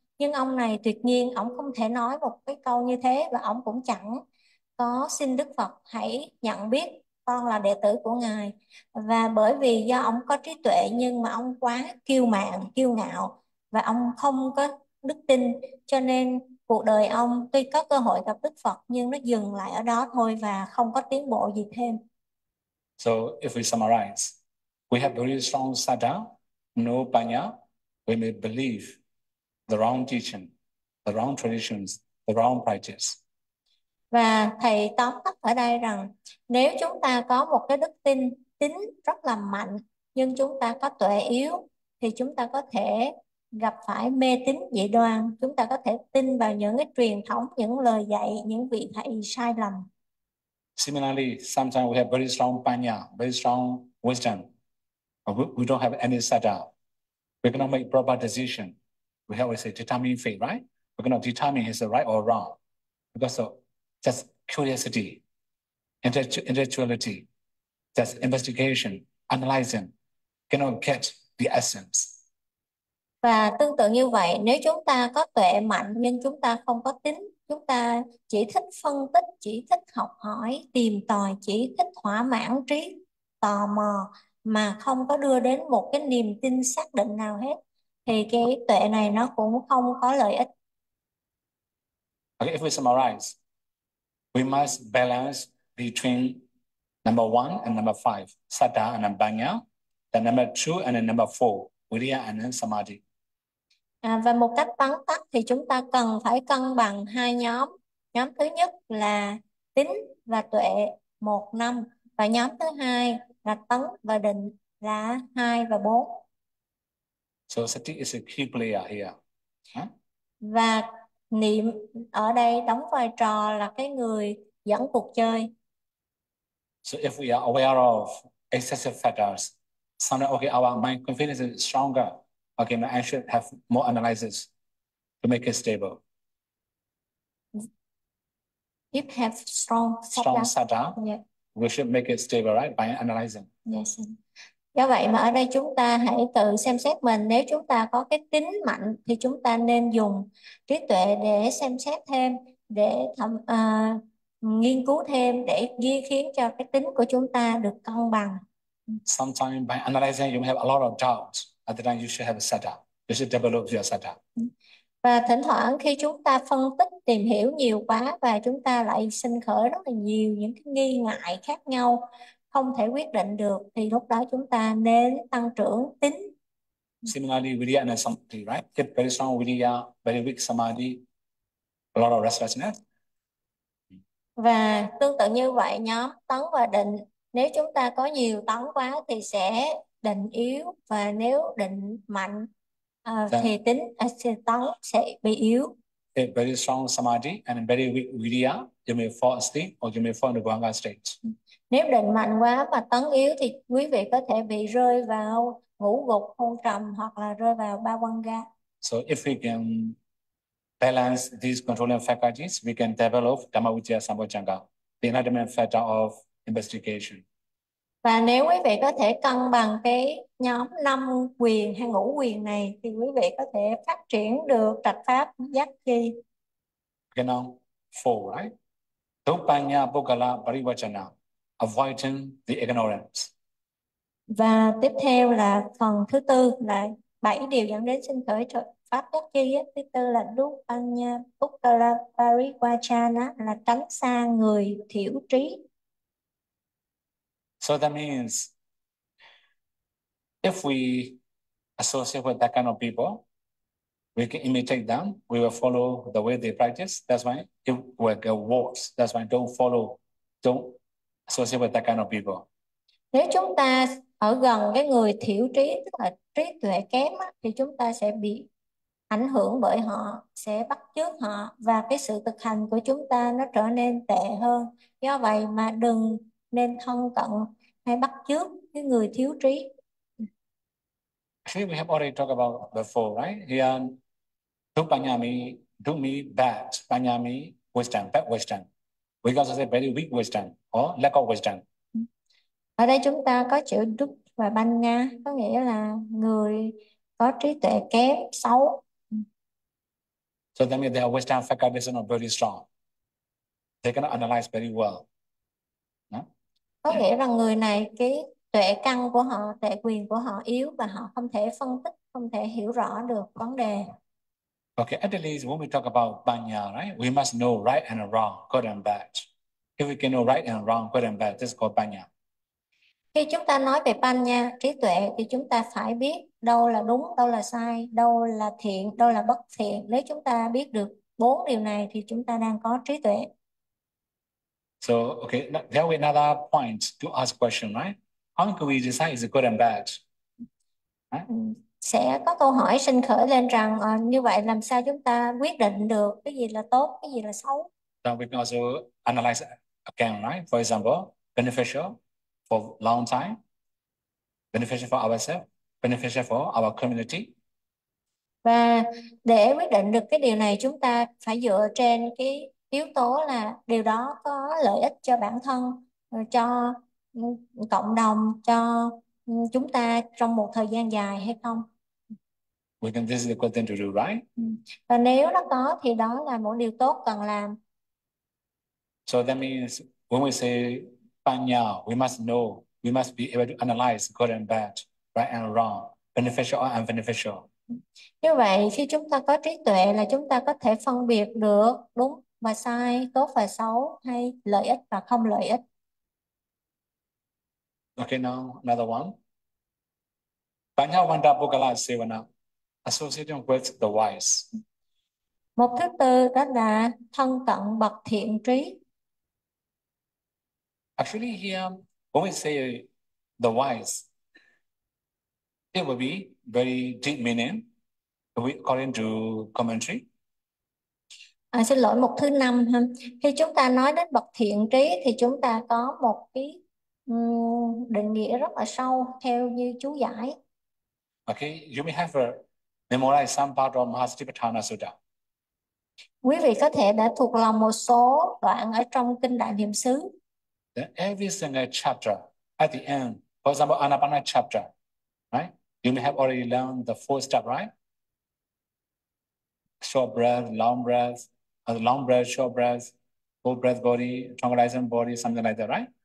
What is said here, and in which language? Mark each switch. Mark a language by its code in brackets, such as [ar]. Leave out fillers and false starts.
[vi] Nhưng ông này tuyệt nhiên ông không thể nói một cái câu như thế, và ông cũng chẳng có xin Đức Phật hãy nhận biết con là đệ tử của Ngài. Và bởi vì do ông có trí tuệ nhưng mà ông quá kiêu mạn, kiêu ngạo, và ông không có đức tin, cho nên cuộc đời ông tuy có cơ hội gặp Đức Phật nhưng nó dừng lại ở đó thôi và không có tiến bộ gì thêm. [en] So if we summarize, we have very strong sadha, no panya, we may believe the wrong teaching, the wrong traditions, the wrong practice. [vi] Và thầy tóm tắt ở đây rằng nếu chúng ta có một cái đức tin tính rất là mạnh nhưng chúng ta có tuệ yếu thì chúng ta có thể gặp phải mê tín dị đoan, chúng ta có thể tin vào những cái truyền thống, những lời dạy, những vị thầy sai lầm. [en] Similarly, sometimes we have very strong panya, very strong wisdom. We don't have any sadha. We cannot make proper decision. We always say determine fate, right? We cannot determine is it right or wrong because of just curiosity, intellectuality, just investigation, analyzing, cannot get the essence. [vi] Và tương tự như vậy, nếu chúng ta có tuệ mạnh nhưng chúng ta không có tín, chúng ta chỉ thích phân tích, chỉ thích học hỏi, tìm tòi, chỉ thích thỏa mãn trí tò mò mà không có đưa đến một cái niềm tin xác định nào hết, thì cái tuệ này nó cũng không có lợi ích. [en] Okay, if we summarize, we must balance between number one and number five, sadha and abhanya, then number two and then number four, virya and then samadhi. [vi] À, và một cách vắn tắt thì chúng ta cần phải cân bằng hai nhóm. Nhóm thứ nhất là tín và tuệ 1 năm, và nhóm thứ hai là tấn và định là 2 và 4. [en] So sati is a key player here. [vi] Và niệm ở đây đóng vai trò là cái người dẫn cuộc chơi. [en] So if we are aware of excessive factors, sometimes okay, our mind confidence is stronger. Okay, now I should have more analysis to make it stable. It have strong Strong sadha. sadha, Yeah. we should make it stable, right? By analyzing. Yes. [vi] Do vậy mà ở đây chúng ta hãy tự xem xét mình, nếu chúng ta có cái tính mạnh thì chúng ta nên dùng trí tuệ để xem xét thêm, để nghiên cứu thêm, để ghi khiến cho cái tính của chúng ta được cân bằng. [en] Sometimes by analyzing, you may have a lot of doubts. At the time, you should have a setup. You should develop your setup. [vi] Và thỉnh thoảng khi chúng ta phân tích, tìm hiểu nhiều quá và chúng ta lại sinh khởi rất là nhiều những cái nghi ngại khác nhau, không thể quyết định được, thì lúc đó chúng ta nên tăng trưởng tính. [en] Similarly, virya and samadhi, right? Get very strong virya, very weak samadhi, a lot of restlessness. [vi] Và tương tự như vậy, nhóm tấn và định, nếu chúng ta có nhiều tấn quá thì sẽ định yếu, và nếu định mạnh thì tính acetone sẽ bị yếu. [en] A very strong samadhi and a very weak vidya, you may fall asleep or you may fall in the Gwanga state. [vi] Nếu định mạnh quá và tấn yếu thì quý vị có thể bị rơi vào ngũ gục, hôn trầm hoặc là rơi vào ba quan ga. [en] So if we can balance these controlling faculties, we can develop Dhamma Vijaya Sambhojanga, the enlightenment factor of investigation. [vi] Và nếu quý vị có thể cân bằng cái nhóm năm quyền hay ngũ quyền này thì quý vị có thể phát triển được trạch pháp giác chi. [en] Canon 4, right? Dupanya Bogala Parivachana, avoiding the [vi] Và tiếp theo là phần thứ tư là bảy điều dẫn đến sinh khởi trợ pháp giác chi. Thứ tư là Dupanya Bogala Parivachana, là tránh xa người thiểu trí. [en] So that means if we associate with that kind of people, we can imitate them. We will follow the way they practice. That's why it will get worse. That's why don't associate with that kind of people. [vi] Nếu chúng ta ở gần cái người thiểu trí, tức là trí tuệ kém, thì chúng ta sẽ bị ảnh hưởng bởi họ, sẽ bắt chước họ và cái sự thực hành của chúng ta nó trở nên tệ hơn. Do vậy mà đừng nên thân cận hay bắt chước cái người thiếu trí. [en] Actually, we have already talked about before, right? Here, do me bad, panyami, wisdom, bad wisdom. We can also say very weak wisdom or lack of wisdom. [vi] Ở đây chúng ta có chữ đúc và banh nga, có nghĩa là người có trí tuệ kém, xấu. [en] So that means their wisdom faculties are not very strong. They cannot analyze very well. [vi] Có nghĩa là người này cái tuệ căn của họ, tuệ quyền của họ yếu và họ không thể phân tích, không thể hiểu rõ được vấn đề. [en] Okay, at least when we talk about banya, right? We must know right and wrong, good and bad. If we can know right and wrong, good and bad, this is called banya. [vi] Khi chúng ta nói về panh nha, trí tuệ, thì chúng ta phải biết đâu là đúng, đâu là sai, đâu là thiện, đâu là bất thiện. Nếu chúng ta biết được bốn điều này thì chúng ta đang có trí tuệ. [en] So, okay, now there we another point to ask question, right? How can we decide is it good and bad? [vi] Sẽ có câu hỏi sinh khởi lên rằng như vậy làm sao chúng ta quyết định được cái gì là tốt, cái gì là xấu? [en] Then we can also analyze again, right? For example, beneficial for long time, beneficial for ourselves, beneficial for our community. [vi] Và để quyết định được cái điều này chúng ta phải dựa trên cái yếu tố là điều đó có lợi ích cho bản thân, cho cộng đồng, cho chúng ta trong một thời gian dài hay không. [en] We can, this is a good thing to do, right? [vi] Và nếu nó có thì đó là một điều tốt cần làm. [en] So that means when we say panya, we must know, we must be able to analyze good and bad, right and wrong, beneficial or unbeneficial. [vi] Như vậy khi chúng ta có trí tuệ là chúng ta có thể phân biệt được đúng và sai, tốt và xấu, hay lợi ích và không lợi ích. [en] Okay, now another one. Panya vanda pugala sevana, associating with the wise. [vi] Một thứ tư đó là thân cận bậc thiện trí. [en] Actually, here, when we say the wise, it will be very deep meaning according to commentary. [vi] À, xin lỗi, một thứ năm ha. Khi chúng ta nói đến bậc thiện trí thì chúng ta có một cái định nghĩa rất là sâu theo như chú giải. [en] Okay, you may have memorized some part of Mahasatipatthana Sutta. [vi] Quý vị có thể đã thuộc lòng một số đoạn ở trong kinh Đại Niệm Xứ. [en] Then every single chapter at the end, for example, Anapana chapter, right? You may have already learned the four step, right? Short breath, long breath, long breath, short breath, full breath body, tranquilizing body, something like that, right?